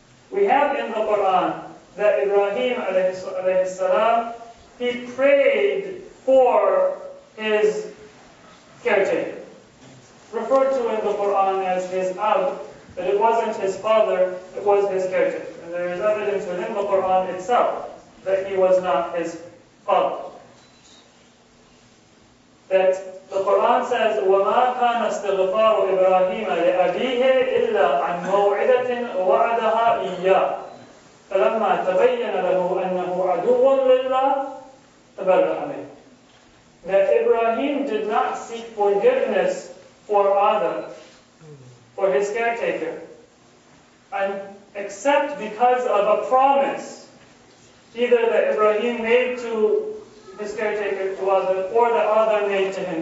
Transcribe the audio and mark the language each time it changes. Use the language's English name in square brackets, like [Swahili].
[English] We have in the Quran that Ibrahim alayhi salam, he prayed for his caretaker, referred to in the Quran as his Ab, but it wasn't his father, it was his caretaker. And there is evidence within the Quran itself that he was not his father. That the Quran says, [Arabic] وَمَا كَانَ اسْتِغْفَارُ إِبْرَاهِيمَ لِأَبِيهِ إِلَّا عَنْ مَوْعِدَةٍ وَعَدَهَا إِيَّا فَلَمَّا تَبَيَّنَ لَهُ أَنَّهُ عَدُوٌ لِلَّهِ تَبَرَّأَ مِنْهُ. [English] That Ibrahim did not seek forgiveness for Adam, for his caretaker, and except because of a promise either that Ibrahim made to his caretaker, to Adam, or the other made to him.